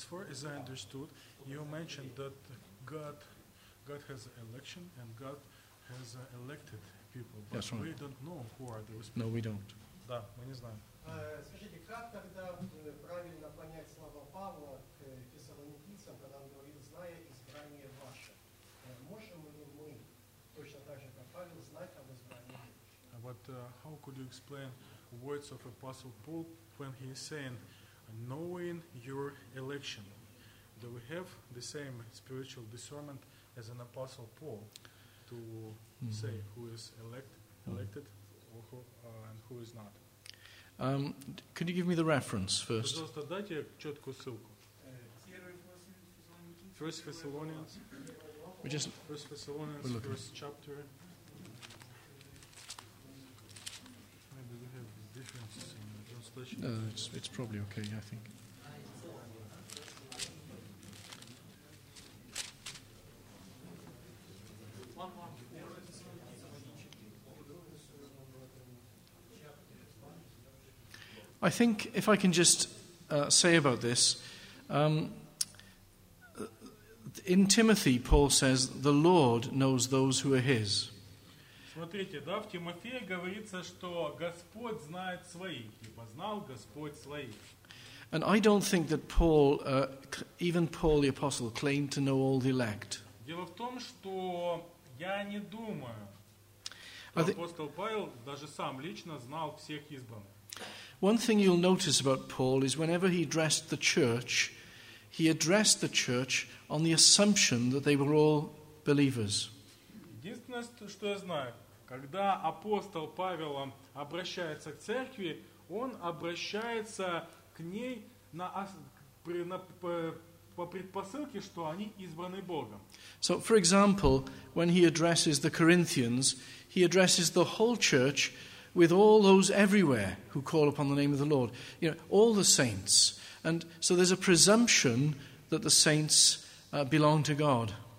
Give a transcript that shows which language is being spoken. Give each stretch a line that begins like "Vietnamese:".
English: As I understood, you mentioned that God has an election and God has elected people, but that's right. We don't know who are those people. No, we don't.
Russian: Да, мы не знаем. Скажите, как тогда правильно понять слова Павла к Фессалоникийцам, когда он говорит, зная избрание ваше? Можем ли мы точно так же, как Павел, знать об избрании?
English: But how could you explain words of Apostle Paul when he is saying, knowing your election? Do we have the same spiritual discernment as an Apostle Paul to say who is elected or who, and who is not? Could you give me the reference first?
Russian: Пожалуйста, дайте четкую ссылку.
English: First Thessalonians. We just First Thessalonians, we'll look first chapter. Maybe we have differences in the translation. No, it's probably okay, I think. I think if I can just say about this, in Timothy, Paul says, the Lord knows those who are his.
Russian: Смотрите, да, в Тимофея говорится, что Господь знает своих, ибо знал Господь своих.
English: And I don't think that Paul, even Paul the Apostle, claimed to know all the elect.
Russian: Дело в том, что я не думаю, что апостол Павел даже сам лично знал всех избранных.
English: One thing you'll notice about Paul is whenever he addressed the church, he addressed the church on the assumption that they were all believers.
Russian: Единственное, что я знаю, когда апостол Павел обращается к церкви, он обращается к ней по предпосылке, что они избраны Богом.
English: So, for example, when he addresses the Corinthians, he addresses the whole church with all those everywhere who call upon the name of the Lord, you know, all the saints. And so there's a presumption that the saints belong to God.